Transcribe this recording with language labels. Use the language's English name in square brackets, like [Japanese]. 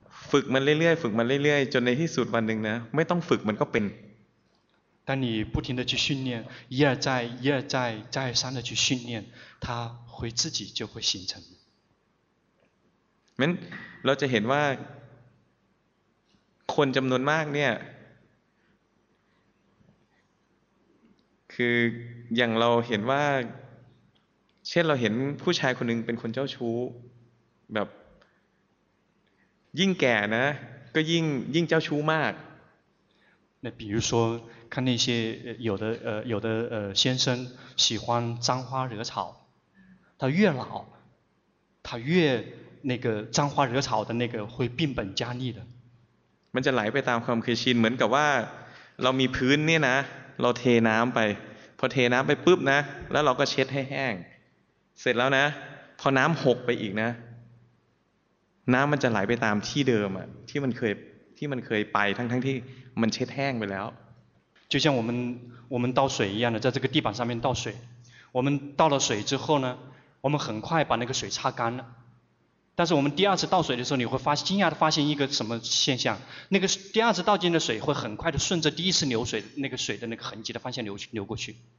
[Thai] ฝึกมันเรื่อยๆฝึกมันเรื่อยๆจนในที่สุดวันนึงนะไม่ต้องฝึกมันก็เป็น [Chinese] 当你不停的去训练一而再一而再再三的去训练它会自己就会形成 [Thai] มันเราจะเห็นว่าคนจำนวนมากเนี่ยคืออย่างเราเห็นว่าเช่นเราเห็นผู้ชายคนนึงเป็นคนเจ้าชู้แบบยิ่งแก่นะก็ยิ่งเจ้าชู้มาก [Chinese] 那比如说看那些有的先生喜欢沾花惹草他越老他越那个沾花惹草的那个会变本加厉的 [Thai] มันจะไหลไปตามความเคยชินเหมือนกับว่าเรามีพื้นเนี่ยนะเราเทน้ำไปพอเทน้ำไปปุ๊บนะแล้วเราก็เช็ดให้แห้งเสร็จแล้วนะพอน้ำหกไปอีกนะน้ำมันจะไหลไปตามที่เดิมอ่ะที่มันเคยไปทั้งที่มันเช็ดแห้งไปแล้ว [Chinese] 就像我们倒水一样的在这个地板上面倒水我们倒了水之后呢我们很快把那个水擦干了但是我们第二次倒水的时候，你会发惊讶的发现一个什么现象？那个第二次倒进的水会很快的顺着第一次流水那个水的那个痕迹的方向流过去。